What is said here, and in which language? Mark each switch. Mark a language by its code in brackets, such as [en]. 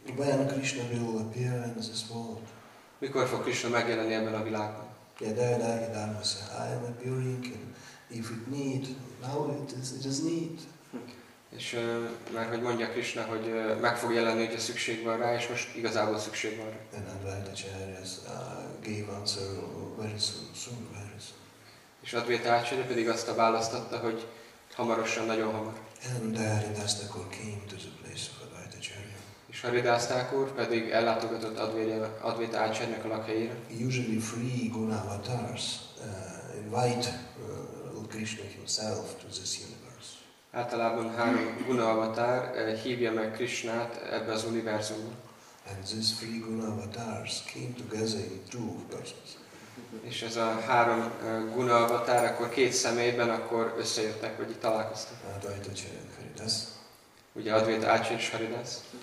[en] When Krishna will appear in this world? [hu] Mikor fog Krishna megjelenni ebben a világban? [en] Yadayadayi Dharma said, I am appearing, and if it need, now it is need. [hu] És mert hogy mondja Krishna, hogy meg fog jelenni, hogyha szükség van rá, és most igazából szükség van rá. [en] And Advaita Acharya gave answer very soon, very soon. [hu] És Advaita Acharya pedig azt a választ adta, hogy hamarosan, nagyon hamar. [en] And Haridas Thakur came to the place of [hu] Haridász Thakur pedig ellátogatott Advaita Ácsárnyak lakhelyére. [en] Usually free guna avatars invite Krishna himself to this universe. [hu] Általában három guna avatar hívja meg Krishnát ebbe az univerzumba. [en] And these three guna avatars came together in two persons. [hu] És ez a három guna avatar akkor két személyben akkor összejöttek, vagy itt találkoztak. [en] Advaita Ácsárnyak and Haridász. [hu] Ugye Advaita Ácsárnyak és Haridász.